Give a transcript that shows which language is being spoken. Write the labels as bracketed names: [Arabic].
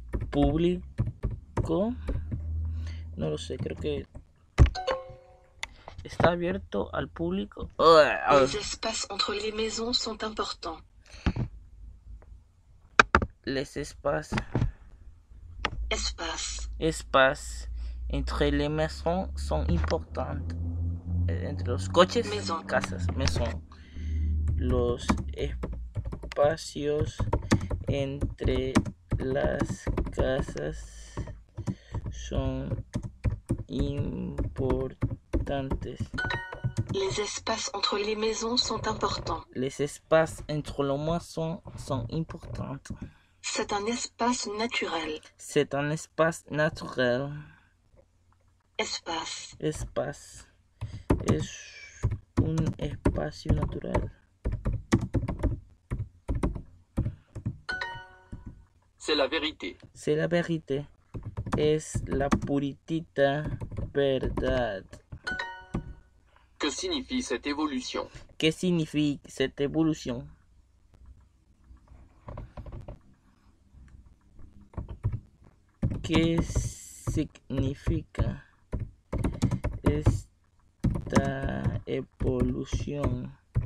[Spanish] Público, no lo sé, creo que está abierto al público. [French] Les espaces entre les maisons sont importants. Les espaces, Espace. espaces entre les maisons sont importantes. [Spanish] Entre los coches, [French] maison. [Spanish] Casas, maison. Los espacios entre las casas son importantes. [French] Les espaces entre les maisons sont importants. Les espaces entre les maisons sont importants. C'est un espace naturel. C'est un espace naturel. Espace. [Spanish] Espace. Es un espacio natural. [French] C'est la vérité. C'est la vérité. [Spanish] Es la puritita verdad. [French] Que signifie cette évolution? [Spanish] ¿Qué significa esta evolución? ¿Qué significa esta evolución?